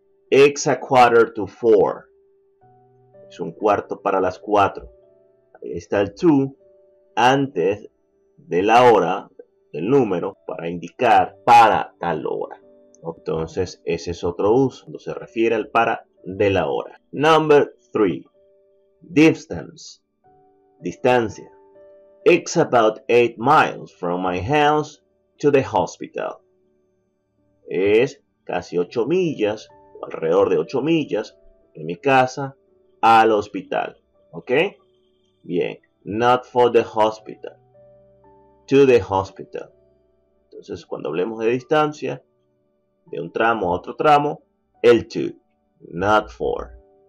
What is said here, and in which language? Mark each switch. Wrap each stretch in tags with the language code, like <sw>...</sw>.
<en>It's a quarter to four.</en> <es>Es un cuarto para las cuatro. Ahí está el to antes de la hora, el número para indicar para tal hora. Entonces, ese es otro uso cuando se refiere al para de la hora.</es> <en>Number 3. Distance. Distancia. It's about 8 miles from my house to the hospital.</en> <es>Es casi 8 millas, o alrededor de 8 millas, de mi casa al hospital.</es> <en>¿Ok? Bien. Not for the hospital. To the hospital.</en> <es>Entonces, cuando hablemos de distancia, de un tramo a otro tramo, el to,</es> <en>not for.</en>